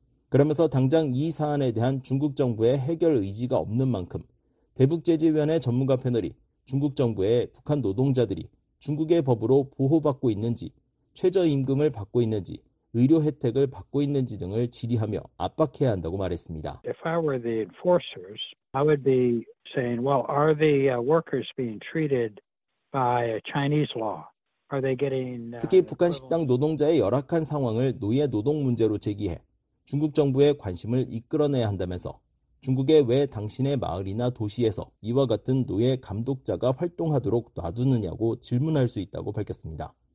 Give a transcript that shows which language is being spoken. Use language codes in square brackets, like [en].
[ko] 그러면서 당장 이 사안에 대한 중국 정부의 해결 의지가 없는 만큼 대북제재위원회 전문가 패널이 중국 정부의 북한 노동자들이 중국의 법으로 보호받고 있는지, 최저임금을 받고 있는지, 의료 혜택을 받고 있는지 등을 질의하며 압박해야 한다고 말했습니다. [en] If I were the enforcers, I would be saying, well, are the workers being treated by Chinese law? Are they getting [ko] 특히 북한 식당 노동자의 열악한 상황을 노예 노동 문제로 제기해 중국 정부의 관심을 이끌어내야 한다면서 중국에 왜 당신의 마을이나 도시에서 이와 같은 노예 감독자가 활동하도록 놔두느냐고 질문할 수 있다고 밝혔습니다.